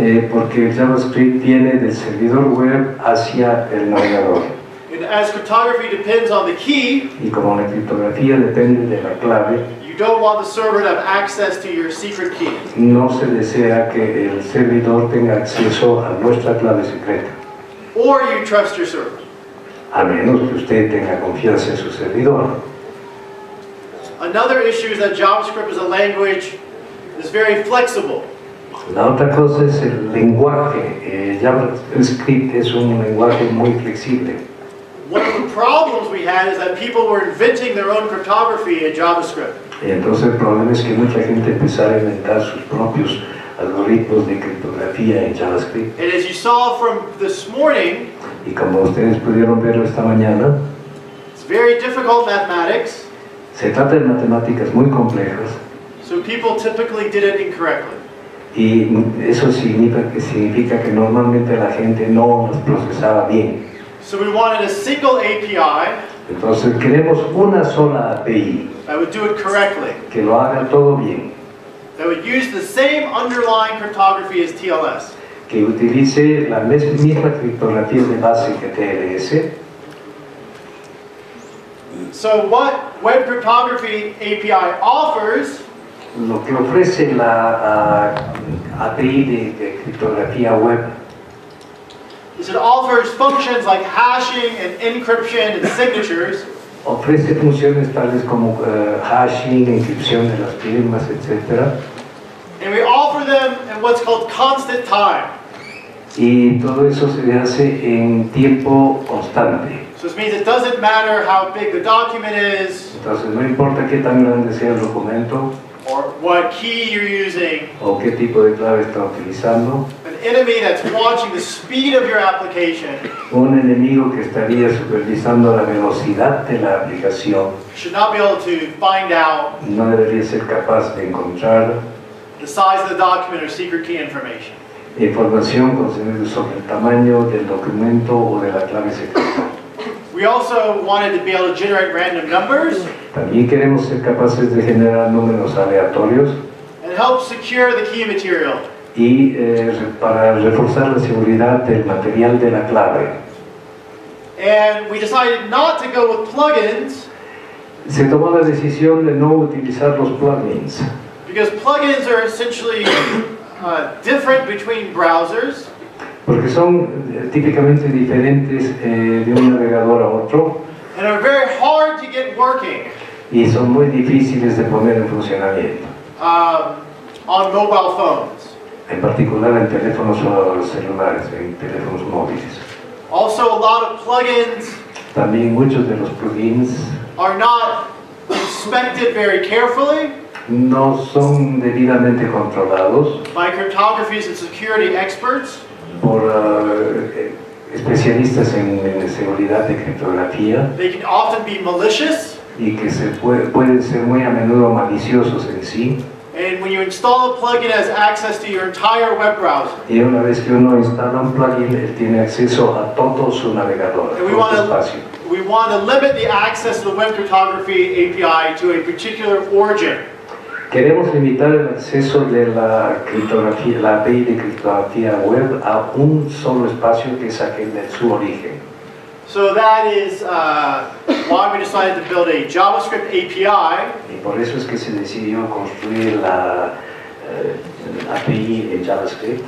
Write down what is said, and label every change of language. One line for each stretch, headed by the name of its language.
Spanish: Porque el JavaScript viene del servidor web hacia el navegador.
English: And as cryptography depends on the key,
Spanish: y como la criptografía depende de la clave,
English: you don't want the server to have access to your secret key.
Spanish: No se desea que el servidor tenga acceso a nuestra clave secreta.
English: Or you trust your server.
Spanish: A menos que usted tenga confianza en su servidor.
English: Another issue is that JavaScript is a language that is very flexible.
Spanish: La otra cosa es el lenguaje. JavaScript es un lenguaje muy flexible.
English: One of the problems we had is that people were inventing their own cryptography in JavaScript.
Spanish: Y entonces el problema es que mucha gente empezaba a inventar sus propios algoritmos de criptografía en JavaScript.
English: And as you saw from this morning,
Spanish: y como ustedes pudieron ver esta mañana,
English: it's very difficult mathematics.
Spanish: Se trata de matemáticas muy complejas.
English: So people typically did it incorrectly.
Spanish: Y eso significa que normalmente la gente no los procesaba bien.
English: So we wanted a single API.
Spanish: Entonces queremos una sola API.
English: That would do it correctly.
Spanish: Que lo haga todo bien.
English: That would use the same underlying cryptography as TLS.
Spanish: Que utilice la misma criptografía de base que TLS.
English: So what Web Cryptography API offers?
Spanish: Lo que ofrece la API de criptografía web
English: is it offers functions like hashing and encryption and signatures.
Spanish: Ofrece funciones tales como hashing, encripción de las firmas, etc.
English: And we offer them in what's called constant time.
Spanish: Y todo eso se hace en tiempo constante.
English: So this means it doesn't matter how big the document is.
Spanish: Entonces no importa qué tan grande sea el documento.
English: Or what key you're using.
Spanish: O qué tipo de clave está utilizando.
English: An enemy that's watching the speed of your application.
Spanish: Un enemigo que estaría supervisando la velocidad de la aplicación.
English: Should not be able to find out.
Spanish: No debería ser capaz de encontrar.
English: The size of the document or secret key information.
Spanish: información concerniente sobre el tamaño del documento o de la clave secreta.
English: We also wanted to be able to generate random numbers.
Spanish: También queremos ser capaces de generar números aleatorios.
English: And help secure the key material.
Spanish: Y para reforzar la seguridad del material de la clave.
English: And we decided not to go with plugins.
Spanish: Se tomó la decisión de no utilizar los plugins.
English: Because plugins are essentially different between browsers.
Spanish: Porque son típicamente diferentes de un navegador a otro.
English: And are very hard to get working.
Spanish: Y son muy difíciles de poner en funcionamiento.
English: On mobile phones.
Spanish: En particular en teléfonos celulares, en teléfonos móviles.
English: Also a lot of plugins.
Spanish: También muchos de los plugins.
English: Are not inspected very carefully.
Spanish: No son debidamente controlados.
English: By cryptographers and security experts.
Spanish: Por especialistas en seguridad de criptografía.
English: They can often be malicious.
Spanish: Y que pueden ser muy a menudo maliciosos en sí.
English: And when you install a plugin, it has access to your entire web browser.
Spanish: Y una vez que uno instala un plugin, él tiene acceso a todo su navegador.
English: And we want to limit the access of the web cryptography API to a particular origin.
Spanish: Queremos limitar el acceso de la criptografía, la API de criptografía web, a un solo espacio que es aquel de su origen.
English: So that is why we decided to build a JavaScript API.
Spanish: Y por eso es que se decidió construir la API en JavaScript.